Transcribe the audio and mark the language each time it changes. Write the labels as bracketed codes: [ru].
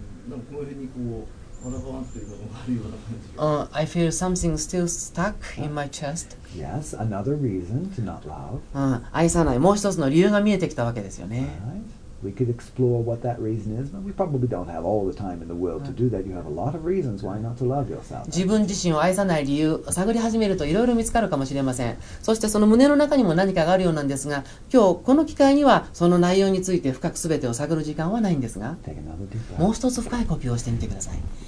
[ja] なんかこの辺にこう、お腹が張ってるのがあるような感じが。 [en] I feel something still stuck in my chest. Yes, another reason to not love. [ja] 愛さない。もう一つの理由が見えてきたわけですよね。 [en] We could explore what that reason is, but we probably don't have all the time in the world to do that. You have a lot of reasons why not to love yourself. [ja] 自分自身を愛さない理由を探り始めるといろいろ見つかるかもしれません。そしてその胸の中にも何かがあるようなんですが、今日この機会にはその内容について深くすべてを探る時間はないんですが、もう一つ深い呼吸をしてみてください。